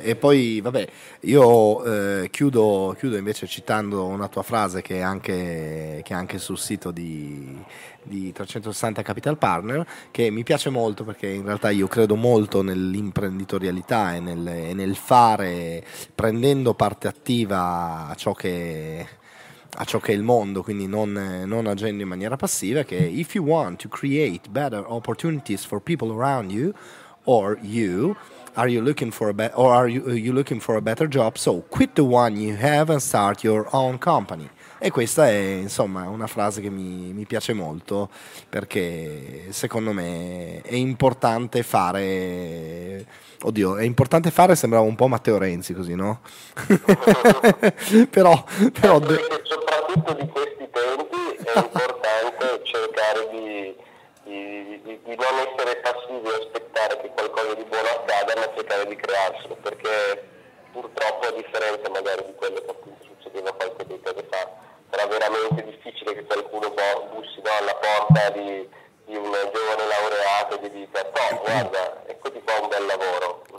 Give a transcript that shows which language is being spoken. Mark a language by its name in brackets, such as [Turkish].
[Italian] E poi, vabbè, io chiudo invece citando una tua frase che è anche sul sito di 360 Capital Partner, che mi piace molto, perché in realtà io credo molto nell'imprenditorialità e nel fare, prendendo parte attiva a ciò che è il mondo, quindi non agendo in maniera passiva, che [English] if you want to create better opportunities for people around you or you, are you looking for are you looking for a better job? So quit the one you have and start your own company. [Italian] E questa è, insomma, una frase che mi piace molto, perché secondo me è importante fare. Oddio, è importante fare, sembrava un po' Matteo Renzi così, no? però soprattutto di questi tempi è importante cercare di non essere passivi e aspettare che qualcosa di buono accada, ma cercare di crearselo, perché purtroppo, a differenza magari di quello che appunto succedeva qualche decade fa, sarà veramente difficile che qualcuno bussi alla porta di un giovane laureato e gli dica: no, guarda, ecco di qua un bel lavoro.